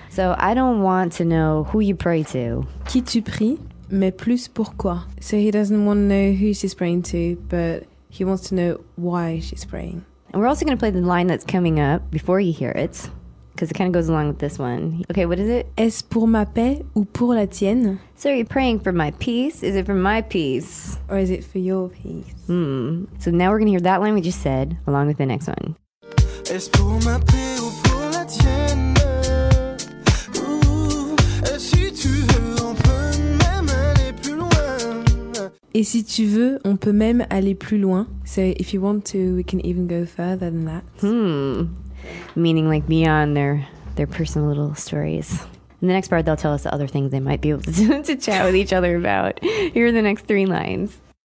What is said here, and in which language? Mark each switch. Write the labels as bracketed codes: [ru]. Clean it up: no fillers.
[en] So, I don't want to know who you pray to. [fr] Qui tu pries, mais plus pourquoi. [en] So, he doesn't want to know who she's praying to, but he wants to know why she's praying. And we're also going to play the line that's coming up before you hear it, because it kind of goes along with this one. Okay, what is it? [fr] Est-ce pour ma paix ou pour la tienne? [en] So, are you praying for my peace? Is it for my peace? Or is it for your peace? Hmm. So, now we're going to hear that line we just said, along with the next one. [fr] Est-ce pour ma paix ou pour la tienne? Ooh. Et si tu veux, on peut même aller plus loin. Et si tu veux, on peut même aller plus loin. [en] So, if you want to, we can even go further than that. Hmm. Meaning like beyond their personal little stories. In the next part, they'll tell us the other things they might be able to chat with each other about. Here are the next three lines.